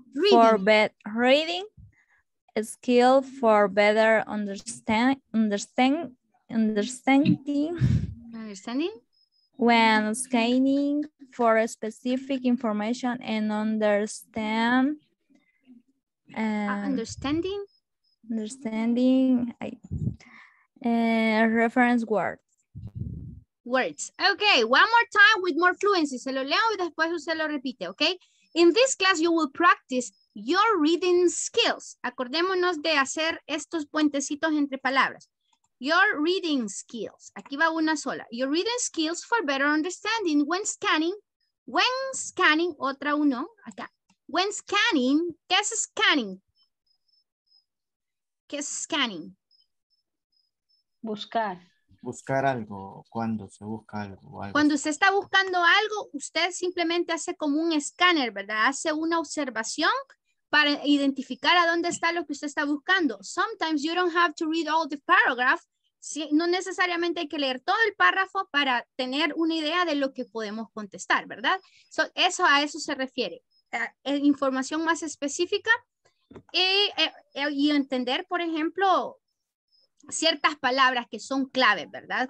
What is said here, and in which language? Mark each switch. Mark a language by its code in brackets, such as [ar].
[en] for reading skill for better understanding when scanning for a specific information and understanding reference words. Okay, one more time with more fluency. [es] Se lo leo y después usted lo repite, okay? [en] In this class, you will practice your reading skills. [es] Acordémonos de hacer estos puentecitos entre palabras. [en] Your reading skills. [es] Aquí va una sola. [en] Your reading skills for better understanding when scanning. When scanning, [es] otra uno, acá. When scanning, ¿qué es scanning? ¿Qué es scanning? Buscar. Buscar algo, cuando se busca algo, algo. Cuando usted está buscando algo, usted simplemente hace como un escáner, ¿verdad? Hace una observación para identificar a dónde está lo que usted está buscando. [en] Sometimes you don't have to read all the paragraph. [es] Sí, no necesariamente hay que leer todo el párrafo para tener una idea de lo que podemos contestar, ¿verdad? So, eso a eso se refiere. Información más específica y entender, por ejemplo, ciertas palabras que son claves, ¿verdad?